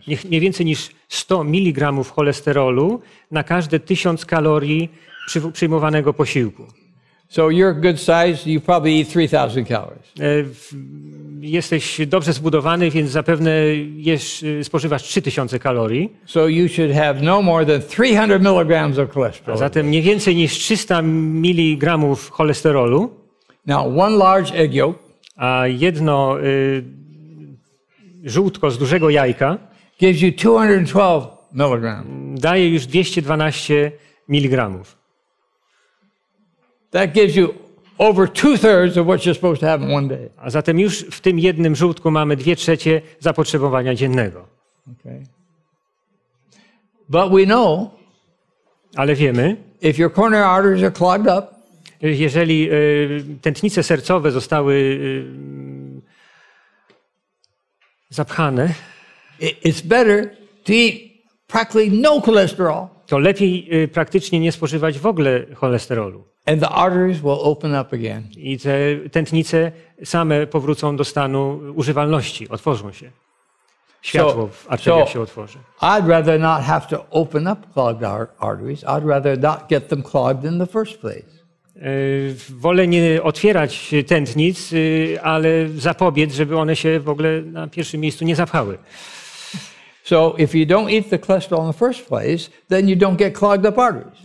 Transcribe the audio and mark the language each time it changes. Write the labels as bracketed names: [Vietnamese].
[Polish] Nie więcej niż 100 miligramów cholesterolu na każde 1000 kalorii przyjmowanego posiłku. [English] So you're good size, you probably eat 3000 calories. [Polish] Jesteś dobrze zbudowany, więc zapewne spożywasz 3000 kalorii. [English] So you should have no more than 300 milligrams of cholesterol. [Polish] A zatem nie więcej niż 300 miligramów cholesterolu. [English] Now one large egg yolk. [Polish] A jedno żółtko z dużego jajka [English] gives you 212 milligrams. [Polish] Daje już 212 miligramów. [English] That gives you over two-thirds of what you're supposed to have in one day. [Polish] A zatem już w tym jednym żółtku mamy 2/3 zapotrzebowania dziennego. [English] Okay. But we know. [Polish] Ale wiemy. [English] If your coronary arteries are clogged up. [Polish] Jeżeli tętnice sercowe zostały zapchane, [English] it's better to eat practically no cholesterol. [Polish] To lepiej praktycznie nie spożywać w ogóle cholesterolu. [English] And the arteries will open up again. [Polish] I te tętnice same powrócą do stanu używalności, otworzą się. Światło w arteriach się otworzy. [English] I'd rather not have to open up clogged arteries. I'd rather not get them clogged in the first place. [Polish] Wolę nie otwierać tętnic, ale zapobiec, żeby one się w ogóle na pierwszym miejscu nie zapchały. [English] So if you don't eat the cholesterol in the first place, then you don't get clogged up arteries.